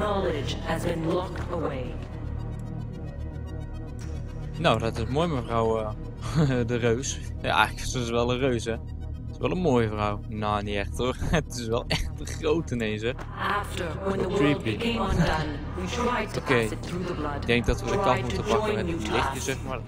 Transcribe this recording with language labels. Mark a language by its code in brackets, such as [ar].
[en] Knowledge has been locked away. [nl] Nou, dat is mooi, mevrouw de reus. Ja, eigenlijk is ze wel een reus, hè. Het is wel een mooie vrouw. Nou, niet echt hoor. Het is wel echt een grote ineens, hè. [en] After, when the world became undone, we tried to pass it through the blood. [nl] Ik denk dat we de kant moeten pakken met die lichtjes, zeg maar.